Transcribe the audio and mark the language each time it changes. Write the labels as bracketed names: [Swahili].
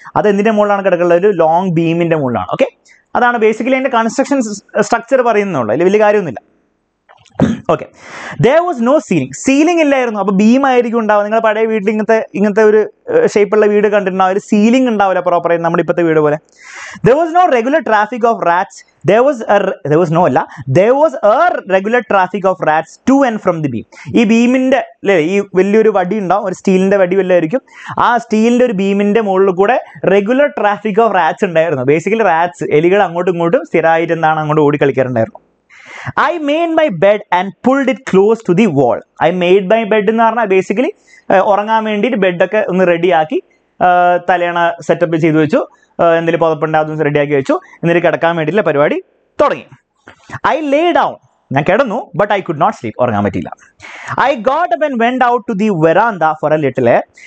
[Malayalam] അത് എന്തിൻ്റെ മുകളിലാണ് കിടക്കുള്ളത്? ഒരു ലോങ് ബീമിൻ്റെ മുകളിലാണ്. ഓക്കെ, അതാണ് ബേസിക്കലി അതിൻ്റെ കൺസ്ട്രക്ഷൻ സ്ട്രക്ചർ പറയുന്നുള്ളു, അതിൽ വലിയ കാര്യമൊന്നുമില്ല. Okay, [English] There was no ceiling. [Malayalam] Ceiling ഇല്ലായിരുന്നു. അപ്പോൾ ബീം ആയിരിക്കും ഉണ്ടാവുക. നിങ്ങൾ പഴയ വീട്ടിൽ ഇങ്ങനത്തെ ഇങ്ങനത്തെ ഒരു ഷേപ്പുള്ള വീട് കണ്ടിട്ടുണ്ടാവും, ഒരു സീലിംഗ് ഉണ്ടാവില്ല പ്രോപ്പറായി നമ്മുടെ ഇപ്പോഴത്തെ വീട് പോലെ. [English] There was no regular traffic of rats. There was a regular traffic of rats to and from the beam. [Malayalam] ഈ ബീമിൻ്റെ അല്ലേ, ഈ വലിയൊരു വടി ഉണ്ടാവും, ഒരു സ്റ്റീലിൻ്റെ വടി വല്ലതായിരിക്കും. ആ സ്റ്റീലിൻ്റെ ഒരു ബീമിൻ്റെ മുകളിൽ കൂടെ റെഗുലർ ട്രാഫിക് ഓഫ് റാറ്റ്സ് ഉണ്ടായിരുന്നു. ബേസിക്കലി റാറ്റ്സ്, എലികൾ അങ്ങോട്ടും ഇങ്ങോട്ടും സ്ഥിരമായിട്ട് എന്താണ് അങ്ങോട്ട് ഓടി കളിക്കാറുണ്ടായിരുന്നു. [English] I made my bed and pulled it close to the wall. I made my bed [Malayalam] എന്ന് പറഞ്ഞാൽ ബേസിക്കലി ഉറങ്ങാൻ വേണ്ടിയിട്ട് ബെഡൊക്കെ ഒന്ന് റെഡിയാക്കി, തലേണ സെറ്റപ്പ് ചെയ്ത് വെച്ചു, എന്തെങ്കിലും പുതപ്പുണ്ട് അതൊന്ന് റെഡിയാക്കി വെച്ചു, എന്നിട്ട് കിടക്കാൻ വേണ്ടിയിട്ട് പരിപാടി തുടങ്ങി. [English] I lay down, [Malayalam] ഞാൻ കിടന്നു, [English] but I could not sleep, [Malayalam] ഉറങ്ങാൻ പറ്റിയില്ല. [English] I got up and went out to the veranda for a little air.